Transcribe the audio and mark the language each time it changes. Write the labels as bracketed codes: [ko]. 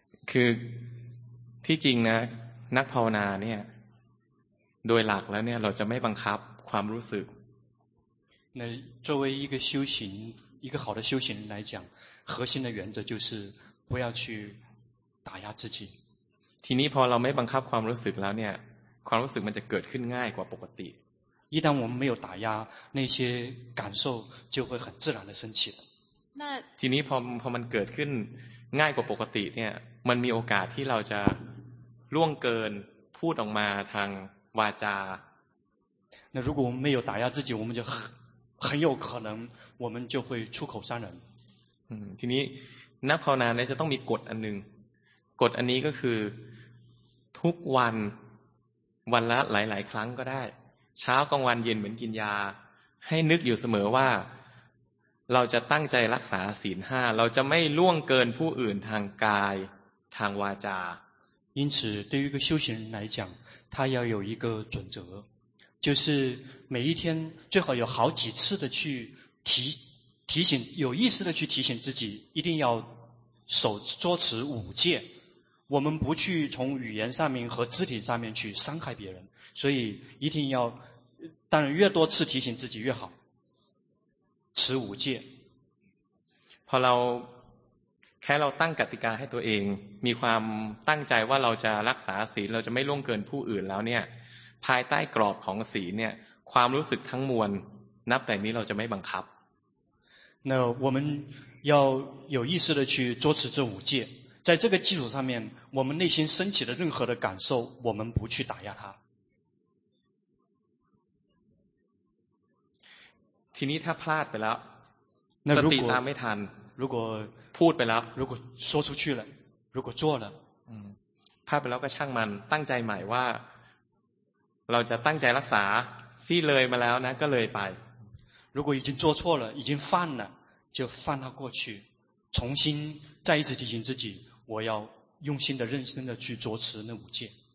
[th] คือที่จริงนะนักภาวนาเนี่ยโดยหลักแล้วเนี่ยเราจะไม่บังคับความรู้สึก ใน [zh] 作为一个修行一个好的修行来讲核心的原则就是不要去打压自己 [th] ทีนี้พอเราไม่บังคับความรู้สึกแล้วเนี่ยความรู้สึกมันจะเกิดขึ้นง่ายกว่าปกติ [zh] 一旦我们没有打压那些感受就会很自然的升起那 [th] ทีนี้พอมันเกิดขึ้นง่ายกว่าปกติเนี่ยมันมีโอกาสที่เราจะล่วงเกินพูดออกมาทางวาจา [zh] 那如果我们没有打压自己我们就很有可能我们就会出口伤人 [th] ทีนี้นักภาวนาเนี่ยจะต้องมีกฎอันนึงกฎอันนี้ก็คือทุกวันวันละหลายๆครั้งก็ได้เช้ากลางวันเย็นเหมือนกินยาให้นึกอยู่เสมอว่าเราจะตั้งใจรักษาศีล5เราจะไม่ล่วงเกินผู้อื่นทางกายทางวาจา [zh] 因此对于一个修行人来讲他要有一个准则就是每一天最好有好几次的去提醒有意识的去提醒自己一定要守捉持五戒我们不去从语言上面和肢体上面去伤害别人所以一定要当然越多次提醒自己越好持五戒 [th] พอเราแค่เราตั้งกติกาให้ตัวเองมีความตั้งใจว่าเราจะรักษาศีลเราจะไม่ล่วงเกินผู้อื่นแล้วเนี่ยภายใต้กรอบของศีลเนี่ยความรู้สึกทั้งมวลนับแต่นี้เราจะไม่บังคับ [zh] 那我们要有意识的去捉持这五戒在这个基础上面我们内心升起的任何的感受我们不去打压它 [th] ทีนี้ถ้าพลาดไปแล้ว ส ติตามไม่ทัน รู้ก็พูดไปแล้ว รู้ก็ [zh] 说出去了如果做了 [th] พลาดไปแล้วก็ช่างมันตั้งใจใหม่ว่าเราจะตั้งใจรักษาที่เลยมาแล้วนะก็เลยไป [zh] 如果已经做错了已经犯了就放它过去重新再一次提醒自己我要用心的认真的去着持那五戒